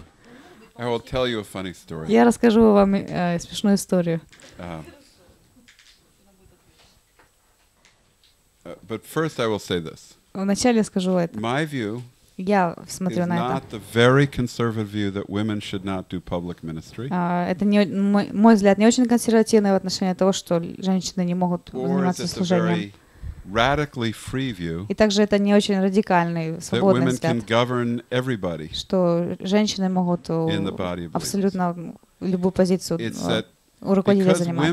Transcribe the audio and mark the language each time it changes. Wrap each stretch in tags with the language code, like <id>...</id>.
<en>You, I will tell you a funny story.</en> <ru>Я расскажу вам смешную историю.</ru> <en>But first I will say this.</en> <ru>Вначале я скажу это.</ru> <en>My view</en> <ru>я смотрю на это.</ru> <en>Is not the very conservative view that women should not do public ministry.</en> <ru>Это не мой взгляд, не очень консервативный в отношении того, что женщины не могут заниматься служением.</ru> <en>Radically free view.</en> <ru>И также это не очень радикальный, свободный взгляд.</ru> <en>That women can govern everybody.</en> <ru>Что женщины могут абсолютно любую позицию руководителя занимать.</ru>